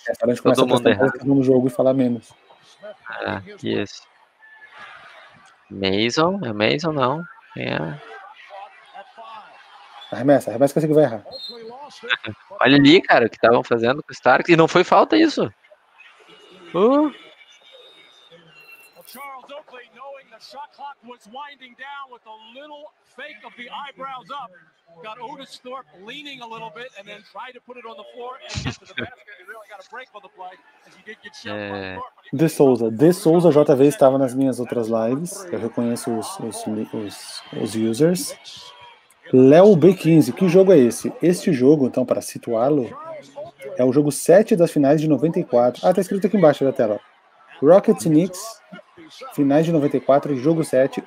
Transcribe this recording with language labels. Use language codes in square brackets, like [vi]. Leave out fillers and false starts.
[pt] É, a gente começa a prestar atenção no jogo e falar menos. Ah, isso. Mason? É Mason, não? É. Arremessa que eu sei que vai errar. Olha ali, cara, o que estavam fazendo com o Stark. E não foi falta isso. [en] Charles Oakley, knowing the shot clock was winding down with a little fake of the eyebrows up, got Otis Thorpe leaning a little bit and then tried to put it on the floor and get to the basket. He really got a break on the play as he did get shoved by Thorpe. [pt] De Souza. De Souza JV estava nas minhas outras lives. Eu reconheço os users. Léo B15, que jogo é esse? Este jogo, então, para situá-lo, é o jogo 7 das finais de 94. Ah, tá escrito aqui embaixo da tela. Rockets Knicks, finais de 94, jogo 7.